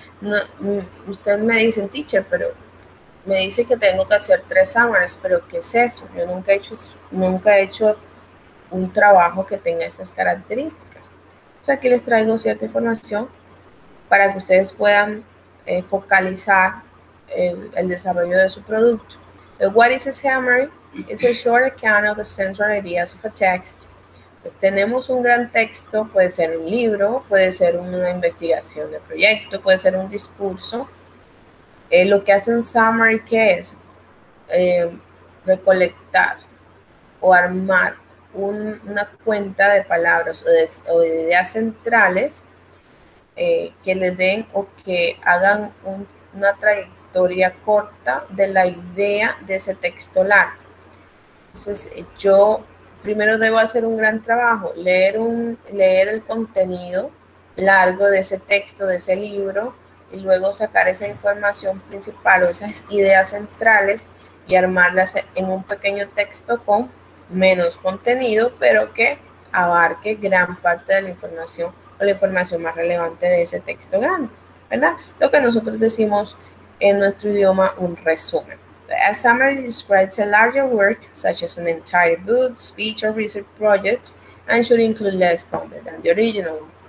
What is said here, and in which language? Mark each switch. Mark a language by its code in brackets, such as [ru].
[es] No, ustedes me dicen, teacher, pero me dice que tengo que hacer 3 summaries, pero ¿qué es eso? Yo nunca he hecho un trabajo que tenga estas características. O sea, aquí les traigo cierta información para que ustedes puedan focalizar el desarrollo de su producto. [en] The What is a summary? It's a short account of the central ideas of a text. [es] Pues tenemos un gran texto, puede ser un libro, puede ser una investigación de proyecto, puede ser un discurso. Lo que hace un summary, ¿qué es? Recolectar o armar una cuenta de palabras o de ideas centrales que le den o que hagan una trayectoria corta de la idea de ese texto largo. Entonces, yo primero debo hacer un gran trabajo, leer el contenido largo de ese texto, de ese libro, y luego sacar esa información principal o esas ideas centrales y armarlas en un pequeño texto con menos contenido, pero que abarque gran parte de la información o la información más relevante de ese texto grande, ¿verdad? Lo que nosotros decimos en nuestro idioma, un resumen. [en] A summary describes a larger work, such as an entire book, speech, or research project, and should include less content than the original.